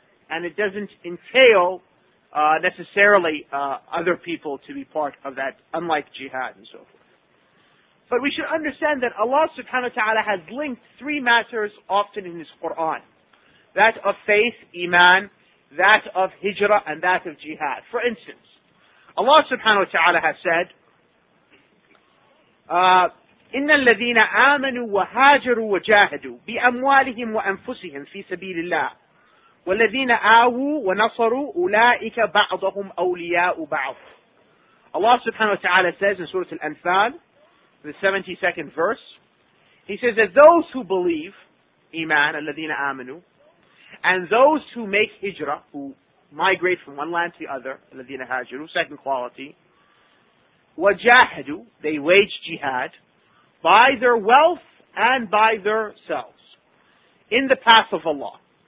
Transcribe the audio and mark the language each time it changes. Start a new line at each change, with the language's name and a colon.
English: And it doesn't entail necessarily other people to be part of that, unlike jihad and so forth. But we should understand that Allah subhanahu wa ta'ala has linked three matters often in His Qur'an. That of faith, iman, that of hijrah, and that of jihad. For instance, Allah subhanahu wa ta'ala has said,
Arabic: إِنَّ الَّذِينَ آمَنُوا وَهَاجَرُوا وَجَاهَدُوا بِأَمْوَالِهِمْ وَأَنفُسِهِمْ فِي سَبِيلِ اللَّهِ وَالَّذِينَ آوُوا وَنَصَرُوا أُولَٰئِكَ بَعْضُهُمْ أَوْلِيَاءُ بَعْضٍ.
English: Allah subhanahu wa ta'ala says in Surah Al-Anfal, the 72nd verse, He says that those who believe, iman,
Arabic: الَّذِينَ آمَنُوا,
English: and those who make hijrah, who migrate from one land to the other,
Arabic: الَّذِينَ هَاجِرُوا,
English: second quality, وَجَاهَدُوا, they wage jihad, by their wealth and by their selves, in the path of Allah.